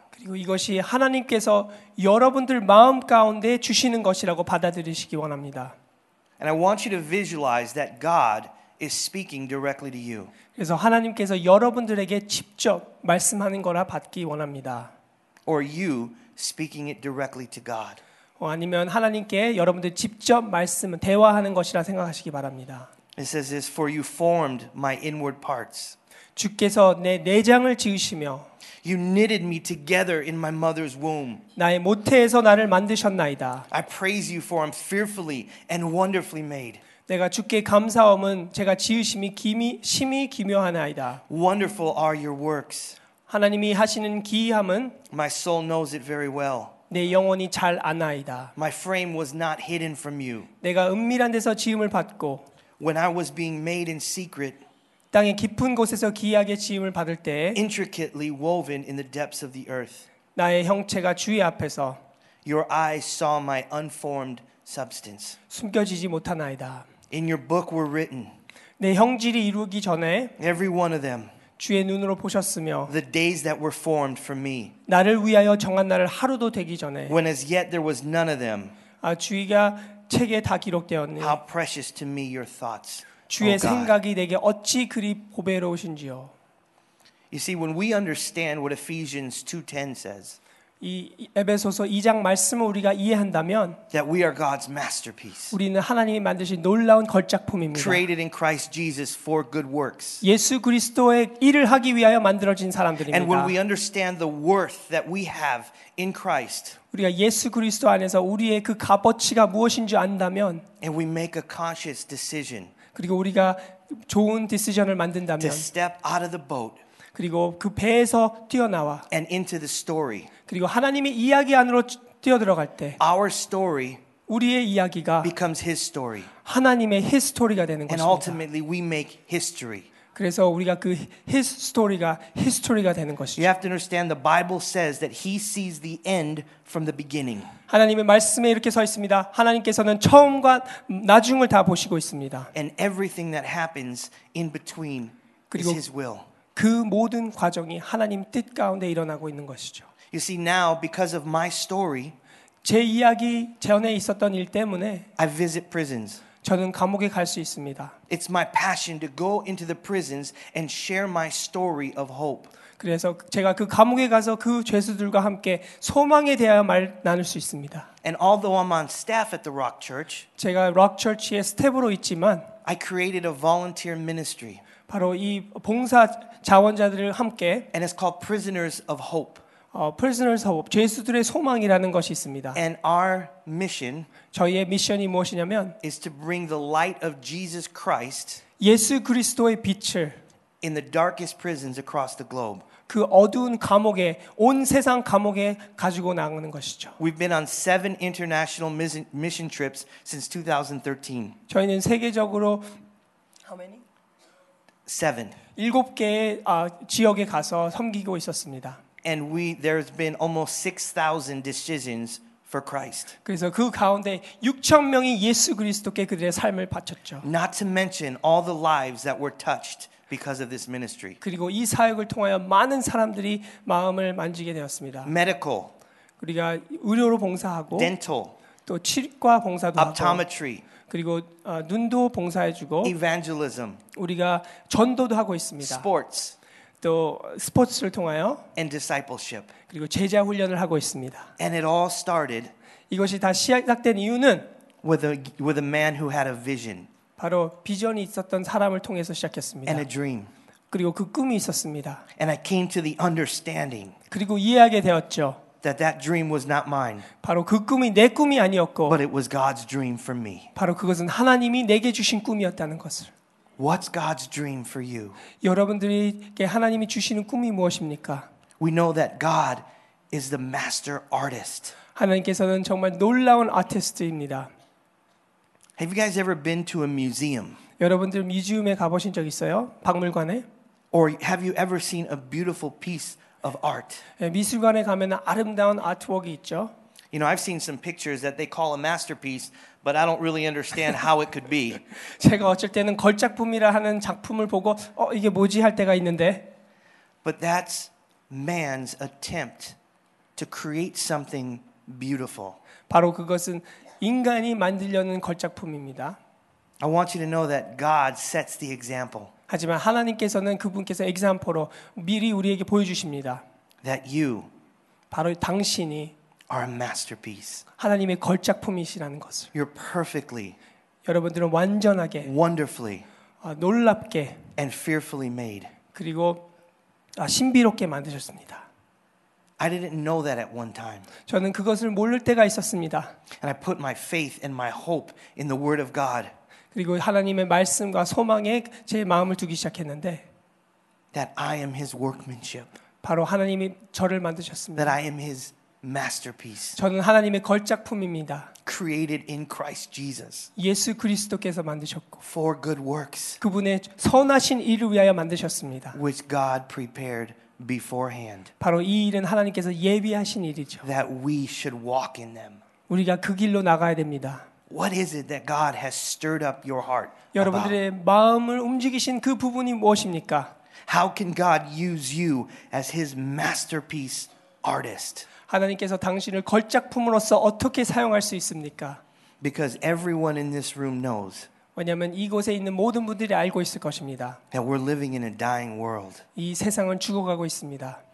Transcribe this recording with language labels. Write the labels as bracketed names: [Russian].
[Korean] 그리고 이것이 하나님께서 여러분들 마음 가운데 주시는 것이라고 받아들이시기 원합니다. [English] And I want you to visualize that God is speaking directly to you. [Korean] 그래서 하나님께서 여러분들에게 직접 말씀하는 거라 받기 원합니다. [English] Or you speaking it directly to God. [Korean] 아니면 하나님께 여러분들 직접 말씀 대화하는 것이라 생각하시기 바랍니다. [English] It says this, for you formed my inward parts. [Korean] 주께서 내 내장을 지으시며 [English] You knitted me together in my mother's womb. [Korean] 나의 모태에서 나를 만드셨나이다. [English] I praise you for I'm fearfully and wonderfully made. [Korean] 내가 주께 감사함은 제가 지으심이 심히 기묘하나이다. [English] Wonderful are your works. [Korean] 하나님이 하시는 기이함은 [English] My soul knows it very well. [Korean] 내 영혼이 잘 아나이다. [English] My frame was not hidden from you. [Korean] 내가 은밀한 데서 지음을 받고 [English] When I was being made in secret. [Korean] 땅의 깊은 곳에서 기이하게 지음을 받을 때 [English] Intricately woven in the depths of the earth. [Korean] 나의 형체가 주의 앞에서 [English] Your eyes saw my unformed substance. [Korean] 숨겨지지 못하나이다. [English] In your book were written. [Korean] 내 형질이 이루기 전에 [English] Every one of them. [Korean] 주의 눈으로 보셨으며 [English] The days that were formed for me. [Korean] 나를 위하여 정한 날을 하루도 되기 전에 [English] When as yet there was none of them. [Korean] 아 주의가 책에 다 기록되었네. [English] How precious to me your thoughts. [Korean] 주의 oh 생각이 내게 어찌 그리 보배로우신지요. [English] You see when we understand what Ephesians 2:10 says. [Korean] 이 에베소서 2장 말씀을 우리가 이해한다면 [English] That we are God's masterpiece. [Korean] 우리는 하나님이 만드신 놀라운 걸작품입니다. [English] Created in Christ Jesus for good works. [Korean] 예수 그리스도의 일을 하기 위하여 만들어진 사람들입니다. [English] And when we understand the worth that we have in Christ. [Korean] 우리가 예수 그리스도 안에서 우리의 그 값어치가 무엇인지 안다면 [English] And we make a conscious decision. [Korean] 그리고 우리가 좋은 디시전을 만든다면 [English] To step out of the boat. [Korean] 그리고 그 배에서 뛰어나와 [English] And into the story. [Korean] 그리고 하나님의 이야기 안으로 뛰어들어갈 때 [English] Our story [Korean] 우리의 이야기가 [English] becomes his story. [Korean] 하나님의 히스토리가 되는 [English] And [Korean] 것입니다. [English] And ultimately we make history. [Korean] 그래서 우리가 그 히스토리가 히스토리가 되는 것이죠. [English] You have to understand the Bible says that he sees the end from the beginning. [Korean] 하나님의 말씀에 이렇게 서 있습니다. 하나님께서는 처음과 나중을 다 보시고 있습니다. [English] And everything that happens in between is his will. [Korean] 그 모든 과정이 하나님 뜻 가운데 일어나고 있는 것이죠. [English] You see now because of my story [Korean] 제 이야기 전에 있었던 일 때문에 [English] I visit prisons. [Korean] 저는 감옥에 갈 수 있습니다. [English] It's my passion to go into the prisons and share my story of hope. [Korean] 그래서 제가 그 감옥에 가서 그 죄수들과 함께 소망에 대하여 말 나눌 수 있습니다. [English] And although I'm on staff at the Rock Church, [Korean] 제가 Rock Church의 스태프로 있지만, [English] I created a volunteer ministry. [Korean] 바로 이 봉사 자원자들을 함께, [English] and it's called Prisoners of Hope. [Korean] Prisoners of Hope, 죄수들의 소망이라는 것이 있습니다. [English] And our mission, [Korean] 저희의 미션이 무엇이냐면, [English] is to bring the light of Jesus Christ, [Korean] 예수 그리스도의 빛을 [English] in the darkest prisons across the globe. [Korean] 그 어두운 감옥에 온 세상 감옥에 가지고 나가는 것이죠. [English] We've been on 7 international mission trips since 2013. [Korean] 저희는 세계적으로 [English] How many? 7. [Korean] 일곱 개의 지역에 가서 섬기고 있었습니다. [English] And there's been almost 6,000 decisions for Christ. [Korean] 그래서 그 가운데 6,000 명이 예수 그리스도께 그들의 삶을 바쳤죠. [English] Not to mention all the lives that were touched because of this ministry. [Korean] 그리고 이 사역을 통하여 많은 사람들이 마음을 만지게 되었습니다. [English] Medical. [Korean] 우리가 의료로 봉사하고 [English] dental. [Korean] 또 치과 봉사도 [English] optometry. [Korean] 하고 그리고 눈도 봉사해 주고 [English] evangelism. [Korean] 우리가 전도도 하고 있습니다. [English] sports. [Korean] 또 스포츠를 통하여 [English] and discipleship. [Korean] 그리고 제자 훈련을 하고 있습니다. [English] and it all started [Korean] 이것이 다 시작된 이유는 [English] with a man who had a vision. [Korean] 바로 비전이 있었던 사람을 통해서 시작했습니다. [English] And a dream. [Korean] 그리고 그 꿈이 있었습니다. [English] And I came to the understanding. [Korean] 그리고 이해하게 되었죠. [English] That dream was not mine. [Korean] 바로 그 꿈이 내 꿈이 아니었고. [English] But it was God's dream for me. [Korean] 바로 그것은 하나님이 내게 주신 꿈이었다는 것을. [English] What's God's dream for you? [Korean] 여러분들에게 하나님이 주시는 꿈이 무엇입니까? [English] We know that God is the master artist. [Korean] 하나님께서는 정말 놀라운 아티스트입니다. [English] Have you guys ever been to a museum? [Korean] 여러분들 뮤지엄에 가보신 적 있어요? 박물관에? [English] Or have you ever seen a beautiful piece of art? [Korean] 미술관에 가면 아름다운 아트웍이 있죠. [English] You know, I've seen some pictures that they call a masterpiece, but I don't really understand how it could be. [Korean] 제가 어쩔 때는 걸작품이라 하는 작품을 보고 이게 뭐지 할 때가 있는데. [English] But that's man's attempt to create something beautiful. [Korean] 바로 그것은 인간이 만들려는 걸작품입니다. [English] I want you to know that God sets the example. [Korean] 하지만 하나님께서는 그분께서 example로 미리 우리에게 보여주십니다. [English] That you [Korean] 바로 당신이 [English] are a masterpiece. [Korean] 하나님의 걸작품이시라는 것을. [English] You're perfectly [Korean] 여러분들은 완전하게 [English] wonderfully [Korean] 놀랍게 [English] and fearfully made. [Korean] 그리고 신비롭게 만드셨습니다. [English] I didn't know that at one time. [Korean] 저는 그것을 모를 때가 있었습니다. [English] And I put my faith and my hope in the word of God. [Korean] 그리고 하나님의 말씀과 소망에 제 마음을 두기 시작했는데 [English] that I am his workmanship. [Korean] 바로 하나님이 저를 만드셨습니다. [English] That I am his masterpiece. [Korean] 저는 하나님의 걸작품입니다. [English] Created in Christ Jesus. [Korean] 예수 그리스도께서 만드셨고 [English] for good works. [Korean] 그분의 선하신 일을 위하여 만드셨습니다. [English] which God prepared beforehand. [Korean] 바로 이 일은 하나님께서 예비하신 일이죠. [English] That we should walk in them. [Korean] 우리가 그 길로 나가야 됩니다. [English] What is it that God has stirred up your heart? [Korean] 여러분들의 마음을 움직이신 그 부분이 무엇입니까? [English] How can God use you as his masterpiece artist? [Korean] 하나님께서 당신을 걸작품으로서 어떻게 사용할 수 있습니까? [English] Because everyone in this room knows [Korean] 왜냐하면 이곳에 있는 모든 분들이 알고 있을 것입니다. [English] That we're living in a dying world. [Korean] 이 세상은 죽어가고 있습니다.